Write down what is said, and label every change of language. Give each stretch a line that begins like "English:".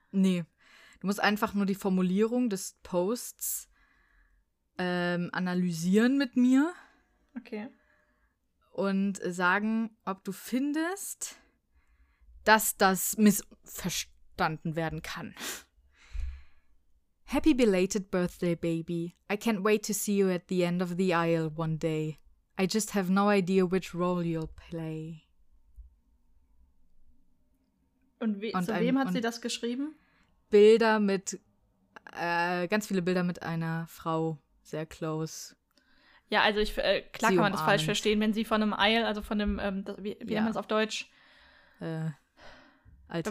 German: Nee, du musst einfach nur die Formulierung des Posts analysieren mit mir. Okay. Und sagen, ob du findest, dass das missverstanden werden kann.
English: Happy belated birthday, baby. I can't wait to see you at the end of the aisle one day. I just have no idea which role you'll play.
German: Zu wem hat sie das geschrieben? Bilder mit, ganz viele Bilder mit einer Frau, sehr close. Ja, also ich, klar sie kann man das falsch verstehen, wenn sie von einem Aisle, also von einem, wie nennt man es auf Deutsch? Alter,